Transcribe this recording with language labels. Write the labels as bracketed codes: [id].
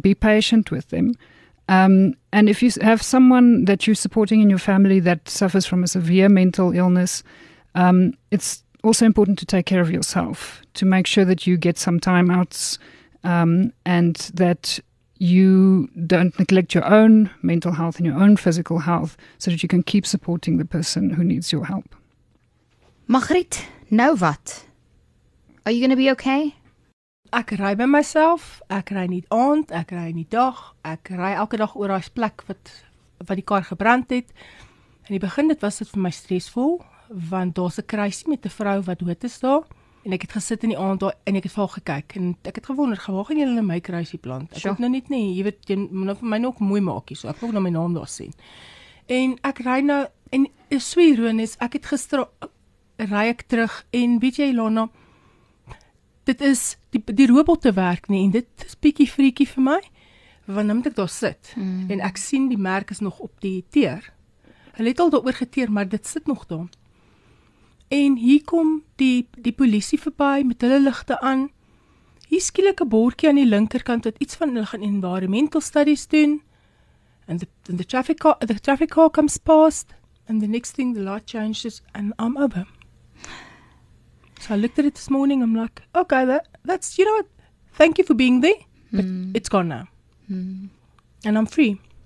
[en] Be patient with them. And if you have someone that you're supporting in your family that suffers from a severe mental illness, it's also important to take care of yourself, to make sure that you get some time outs and that you don't neglect your own mental health and your own physical health so that you can keep supporting the person who needs your help. [af] Margriet, nou wat? [en] Are you going to be okay? [af] Ek ry by myself, ek ry nie aand, ek ry nie dag, ek ry elke dag oor daai plek wat die kar gebrand het. In die begin dit was dit vir my stresvol, want daar's 'n kruisie met 'n vrou wat dood is daar. En ek het gesit in die aand daar en ek het vir gekyk en ek het gewonder, gewaag jy in my kruisie plant? Ek het nou net nie, jy weet, jy moet nou vir my nog mooi maak hier, so ek wil nou my naam daar sien. En ek ry nou, en so ironies, ek het gister, ry ek terug en weet jy, Lana, dit is die robotte werk nie en dit is bietjie freaky vir my, want nou moet ek daar sit en ek sien die merk is nog op die teer. Hulle het al daar oor geteer, maar dit sit nog daar. En hier kom die polisie verby met hulle ligte aan. Hier skielik 'n bordjie aan die linkerkant wat iets van hulle gaan [en] environmental studies [af] doen. [en] And the traffic car comes past and the next thing the light changes and I'm over. So I looked at it this morning, I'm like, okay, that's, you know what, thank you for being there, but it's gone now. And I'm free.